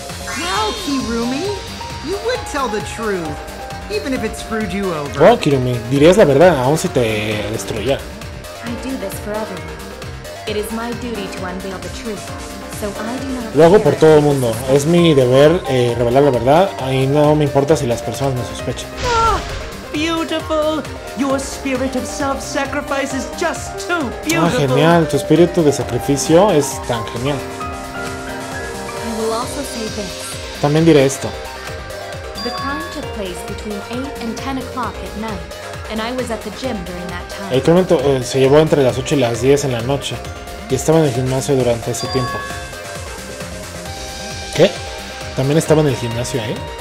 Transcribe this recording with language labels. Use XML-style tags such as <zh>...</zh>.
<en>Wow, Kirumi, you would tell the truth, even if it screwed you over.</en> <es>Wow, Kirumi, dirías la verdad, aun si te destruyera.</es> <en>I do this for everyone. It is my duty to unveil the truth.</en> <es>Lo hago por todo el mundo. Es mi deber revelar la verdad y no me importa si las personas me sospechan.</es> <en>Ah, beautiful. Your spirit of self-sacrifice is just too beautiful.</en> <es>Ah, genial. Tu espíritu de sacrificio es tan genial.</es> <en>I will also say this.</en> <es>También diré esto.</es> <en>The crime took place between 8 and 10 o'clock at night, and I was at the gym during that time.</en> <es>El crimen se llevó entre las 8 y las 10 en la noche y estaba en el gimnasio durante ese tiempo. ¿Qué? ¿También estaba en el gimnasio ahí?</es>